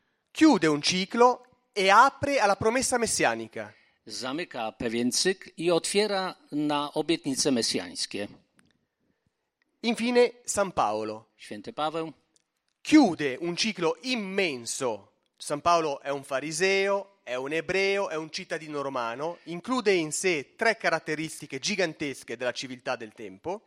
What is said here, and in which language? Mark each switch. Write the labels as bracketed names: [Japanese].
[Italian] chiude un ciclo e apre alla promessa messianica. [Polish] Zamyka pewien cykl i otwiera na obietnice mesjańskie. [Italian] Infine, San Paolo. [Polish] Święty Paweł. [Italian] Chiude un ciclo immenso. San Paolo è un fariseo, è un ebreo, è un cittadino romano. Include in sé tre caratteristiche gigantesche della civiltà del tempo.